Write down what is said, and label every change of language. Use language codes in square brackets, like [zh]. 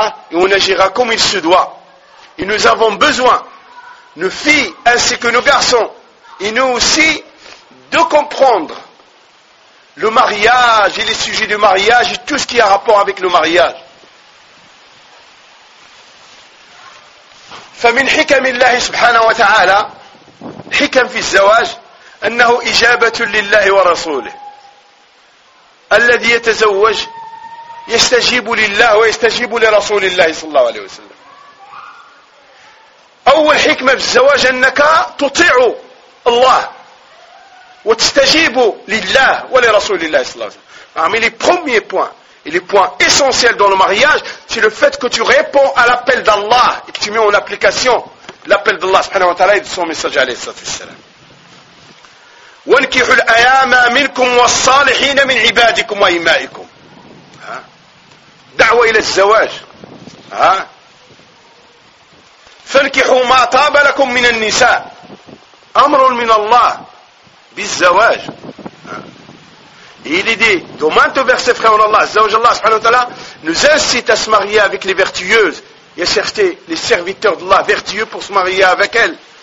[fr] Et on agira comme il se doit. Et nous avons besoin, nos filles ainsi que nos garçons, et nous aussi, de comprendre le mariage et les sujets du mariage et tout ce qui a rapport avec le mariage. [ar] فمن حكم الله سبحانه وتعالى حكم في الزواج أنه إجابة لله ورسوله الذي يتزوج يستجيب لله ويستجيب لرسول الله صلى الله عليه وسلم أول حكمة في الزواج أنك تطيع الله وتستجيب لله ولرسول الله صلى الله عليه وسلم أعمل [fr] premier point Et les points essentiels dans le mariage, c'est le fait que tu réponds à l'appel d'Allah et que tu mets en application l'appel d'Allah subhanahu wa ta'ala et de son message alayhi salatu wassalam. [ar] وَنْكِحُ الْأَيَامَ مِنْكُمْ وَالصَّالِحِينَ مِنْ عِبَادِكُمْ وَإِمَائِكُمْ دعوة إلى الزواج فَنْكِحُوا مَا طَابَ لَكُمْ مِنَ النِّسَاءِ أمر من الله بالزواج [fr] Il est dit, dans maintes versets, frère Allah, Azzawajallah, subhanahu wa ta'ala, nous incite à se marier avec les vertueuses et à chercher les serviteurs d'Allah vertueux pour se marier avec elles.